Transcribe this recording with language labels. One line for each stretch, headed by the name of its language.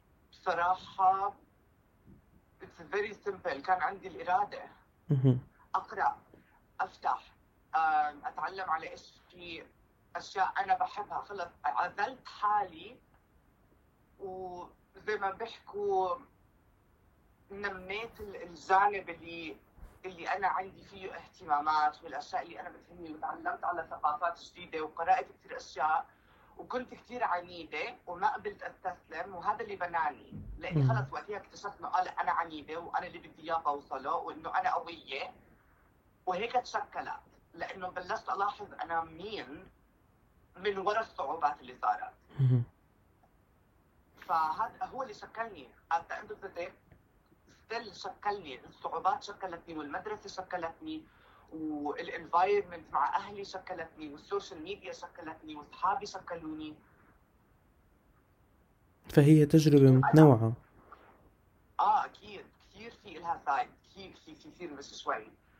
Arabic: بصراحة
English: it's very simple.
Arabic: كان عندي الإرادة أقرأ، أفتح، أتعلم على إيش في أشياء أنا بحبها. خلص عزلت حالي وزي ما بحكوا نميت الجانب اللي أنا عندي فيه اهتمامات والأشياء اللي أنا بتهمني، وتعلمت على ثقافات جديدة وقرأت كثير أشياء، وكنت كثير عنيدة وما قبلت استسلم، وهذا اللي بناني. لأني خلص وقتها اكتشفت انه انا عنيدة وانا اللي بدي اياه بوصله وانه انا قوية، وهيك تشكلت، لأنه بلشت الاحظ انا مين من ورا الصعوبات اللي صارت. فهذا هو اللي شكلني
English: at the end of the day.
Arabic: ستيل شكلني الصعوبات، شكلتني والمدرسة شكلتني والانفايرمنت مع اهلي شكلتني والسوشيال ميديا شكلتني واصحابي شكلوني. فهي تجربة متنوعة. اكيد كثير في لها سايد، كثير في كثير بس شوي.